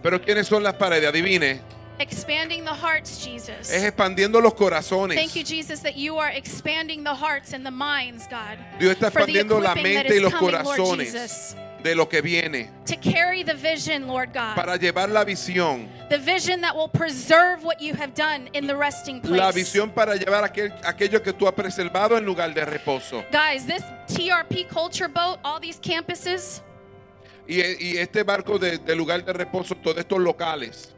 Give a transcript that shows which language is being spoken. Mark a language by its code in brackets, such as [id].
[es] Pero ¿quiénes son las paredes? Adivine. [en] Expanding the hearts, Jesus. [es] Es expandiendo los corazones. [en] Thank you, Jesus, that you are expanding the hearts and the minds, God. [es] Dios está expandiendo la mente y los corazones. De lo que viene. [en] To carry the vision, Lord God. [es] Para llevar la visión. [en] The vision that will preserve what you have done in the resting place. [es] La visión para llevar aquello que tú has preservado en lugar de reposo. [en] Guys, this TRP culture boat, all these campuses. [es] Y este barco de lugar de reposo, todos estos locales.